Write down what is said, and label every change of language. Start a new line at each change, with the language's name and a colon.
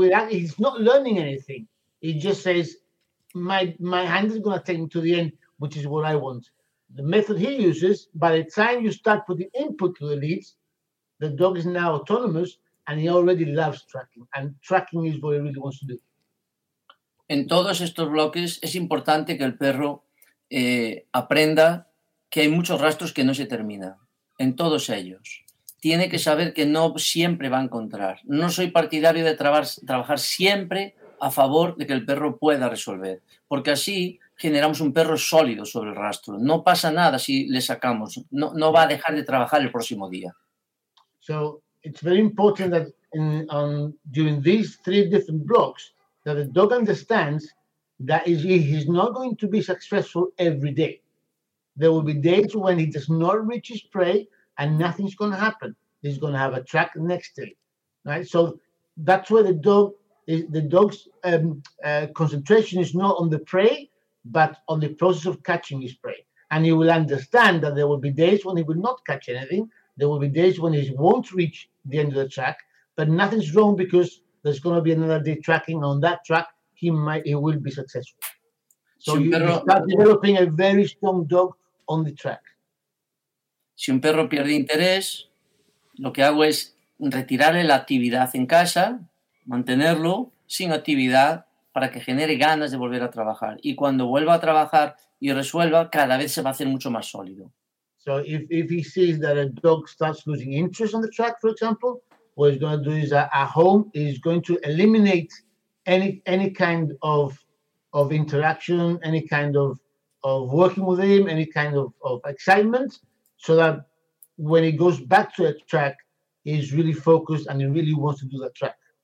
English: He's not learning anything. He just says, my hand is going to take me to the end, which is what I want. The method he uses, by the time you start putting input to the leads, the dog is now autonomous and he already loves tracking. And tracking is what he really wants to do.
Spanish: En todos estos bloques, es importante que el perro aprenda que hay muchos rastros que no se termina. En todos ellos. Tiene que saber que no siempre va a encontrar. No soy partidario de trabajar siempre a favor de que el perro pueda resolver. Porque así generamos un perro sólido sobre el rastro. No pasa nada si le sacamos. No va a dejar de trabajar el próximo día.
English: So it's very important that during these three different blocks that the dog understands that he's not going to be successful every day. There will be days when he does not reach his prey and nothing's going to happen. He's going to have a track the next day, right? So that's where the dog's concentration is not on the prey, but on the process of catching his prey. And he will understand that there will be days when he will not catch anything. There will be days when he won't reach the end of the track, but nothing's wrong because there's going to be another day tracking. On that track, he will be successful. So you start developing a very strong dog on the track.
Spanish: Si un perro pierde interés, lo que hago es retirarle la actividad en casa, mantenerlo sin actividad para que genere ganas de volver a trabajar. Y cuando vuelva a trabajar y resuelva, cada vez se va a hacer mucho más sólido.
English: So if he sees that a dog starts losing interest on the track, for example, what he's going to do is at home, he's going to eliminate any kind of interaction, any kind of working with him, any kind of excitement, so that when he goes back to a track, he's really focused and he really wants to do that track.